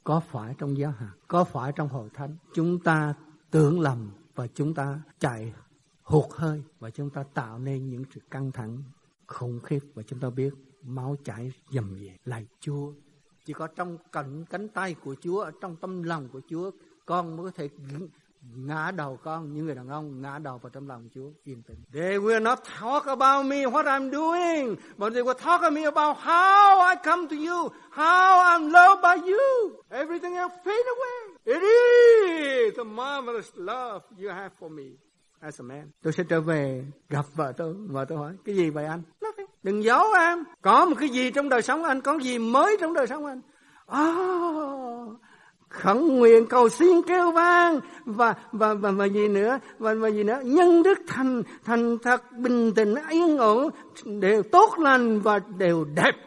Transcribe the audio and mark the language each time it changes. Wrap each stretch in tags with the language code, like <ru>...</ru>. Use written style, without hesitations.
<vi>Có phải trong giáo hạt, có phải trong hội thánh, chúng ta tưởng lầm, và chúng ta chạy hụt hơi và chúng ta tạo nên những sự căng thẳng khủng khiếp và chúng ta biết máu chảy dầm dề. Lạy Chúa, chỉ có trong cánh tay của Chúa, trong tâm lòng của Chúa, con mới có thể ngã đầu con, những người đàn ông ngã đầu vào trong lòng Chúa yên tĩnh.</vi> <en>They will not talk about me, what I'm doing, but they will talk about how I come to you, how I'm loved by you. Everything else fade away. It is the marvelous love you have for me as a man.</en> <vi>Tôi sẽ trở về gặp vợ tôi. Vợ tôi hỏi, cái gì vậy anh?</vi> <en>Nothing.</en> <vi>Đừng giấu em. Có một cái gì trong đời sống anh? Có gì mới trong đời sống anh? Oh, khẩn nguyện, cầu xin, kêu vang và gì nữa? Và gì nữa? Nhân đức thành thật, bình tĩnh, yên ổn, đều tốt lành và đều đẹp.</vi>